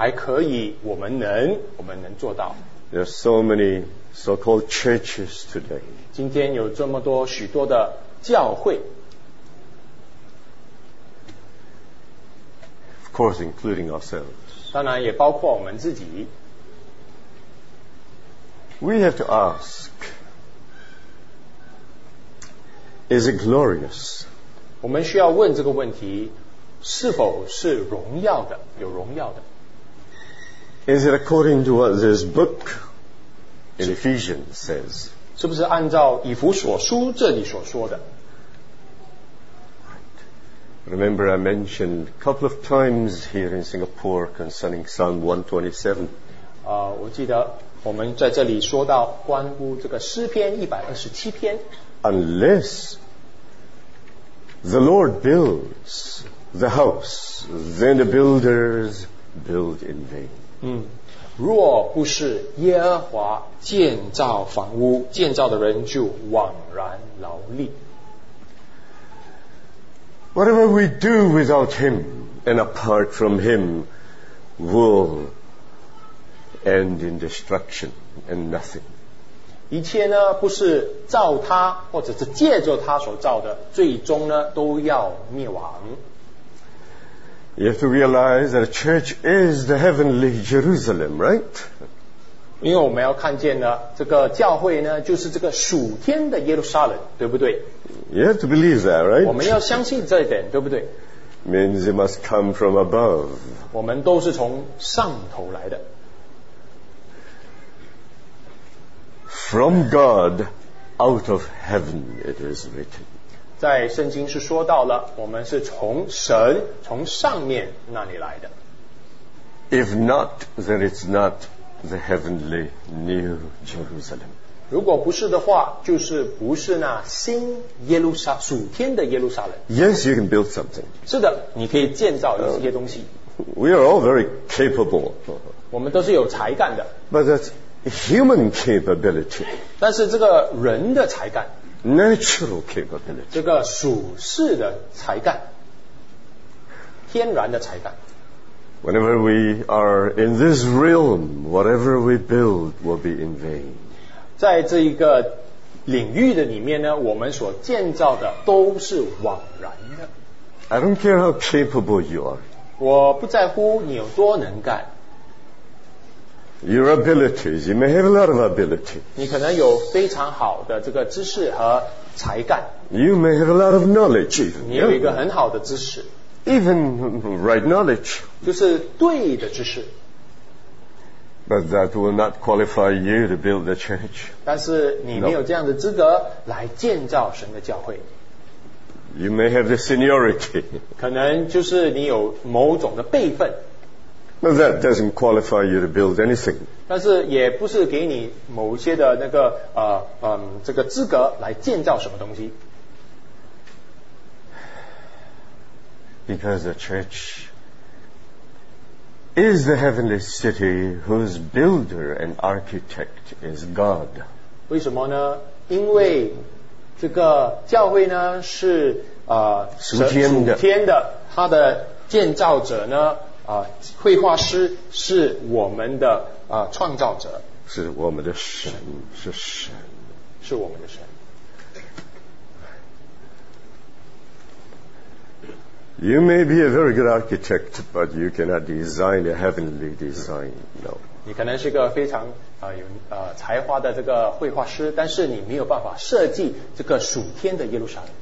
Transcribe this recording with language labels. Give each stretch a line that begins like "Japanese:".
Chinese: 因为问题出在我们以为我们还可以，我们能做到。
English: There are so many so-called churches today.
Chinese: 今天有这么多许多的教会。
English: Of course, including ourselves.
Chinese: 当然也包括我们自己。
English: We have to ask, is it glorious?
Chinese: 我们需要问这个问题, 是否是荣耀的, 有荣耀的?
English: Is it according to what this book in Ephesians says?
Chinese: 是不是按照以弗所书这里所说的?
English: Remember I mentioned a couple of times here in Singapore concerning Psalm 127.
Chinese: 我记得 我们在这里说到关乎这个诗篇127篇
English: Unless the Lord builds the house, then the builders build in vain.
Chinese: 若不是耶和华建造房屋, 建造的人就枉然劳力。
English: Whatever we do without Him and apart from Him will end in destruction and nothing.
Chinese: 一切呢, 不是造他, 或者是借着他所造的, 最终呢, 都要灭亡。
English: You have to realize that a church is the heavenly Jerusalem, right?
Chinese: 因为我们要看见呢, 这个教会呢, 就是这个属天的耶路撒冷, 对不对?
English: You have to believe that, right?
Chinese: 我们要相信这一点, 对不对?
English: Means it must come from above.
Chinese: 我们都是从上头来的。
English: From God, out of heaven it is written.
Chinese: 在圣经是说到了, 我们是从神, 从上面那里来的。
English: If not, then it's not the heavenly New Jerusalem.
Chinese: 如果不是的话, 就是不是那新耶路撒, 属天的耶路撒冷。
English: Yes, you can build something.
Chinese: 是的, 你可以建造一些东西。
English: We are all very capable.
Chinese: 我们都是有才干的。
English: But that's human capability.
Chinese: 但是这个人的才干,
English: natural capability.
Chinese: 这个属世的才干, 天然的才干。
English: Whenever we are in this realm, whatever we build will be in vain.
Chinese: 在这一个领域的里面呢, 我们所建造的都是枉然的。
English: I don't care how capable you are.
Chinese: 我不在乎你有多能干。
English: Your abilities, you may have a lot of ability.
Chinese: 你可能有非常好的这个知识和才干。
English: You may have a lot of knowledge even.
Chinese: 你有一个很好的知识。
English: Even right knowledge.
Chinese: 就是对的知识。
English: But that will not qualify you to build the church.
Chinese: 但是你没有这样的资格来建造神的教会。
English: You may have the seniority.
Chinese: 可能就是你有某种的辈分。
English: But that doesn't qualify you to build anything.
Chinese: 但是也不是给你某些的那个, 这个资格来建造什么东西。
English: Because the church is the heavenly city whose builder and architect is God.
Chinese: 为什么呢?因为这个教会呢, 是, 属天的, 它的建造者呢, 绘画师是我们的, 创造者, 是我们的神, 是神, 是我们的神。
English: You may be a very good architect, but you cannot design a heavenly design. No.
Chinese: 你可能是个非常, 才华的这个绘画师, 但是你没有办法设计这个属天的耶路撒冷。